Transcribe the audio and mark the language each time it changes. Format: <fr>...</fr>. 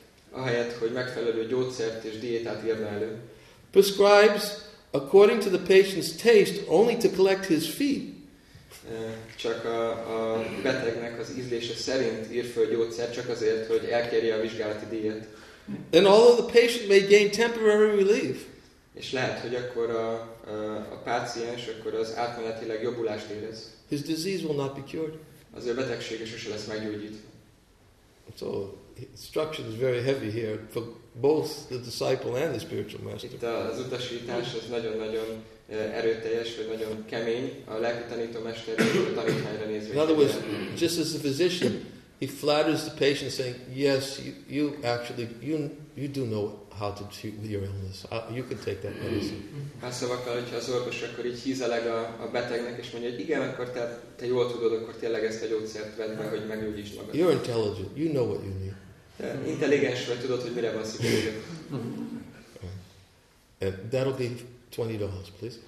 <hu>ahelyett, hogy megfelelő gyógyszert és diétát írna elő,</hu> <en>prescribes according to the patient's taste only to collect his fee,</en> <hu>csak a betegnek az ízlése szerint ír föl gyógyszert, csak azért, hogy elkérje a vizsgálati díjat.</hu> <en>Then although the patient may gain temporary relief,</en> <hu>és lehet, hogy akkor a páciens akkor az átmenetileg jobbulást érez,</hu> <en>his disease will not be cured.</en> <hu>Az ő betegsége sose lesz meggyógyítva.</hu> <en>So instruction is very heavy here for both the disciple and the spiritual master.</en> <hu>Itt az utasítás az nagyon-nagyon erőteljes, vagy nagyon kemény a lelki tanítómester és a tanítványra nézve.</hu> <en>In other words, just as the physician, he flatters the patient saying, yes, you actually do know how to treat with your illness. You can take that medicine.</en> <hu>Hát szavakkal, hogyha az orvos akkor így hízeleg a betegnek, és mondja, hogy igen, akkor te jól tudod, akkor tényleg ezt a gyógyszert vedd meg, hogy meggyógyítsd magad.</hu> <en>You're intelligent. You know what you need.</en> <hu>Intelligens vagy, tudod, hogy mire van szükséged.</hu> <en>And that'll be $20, please.</en>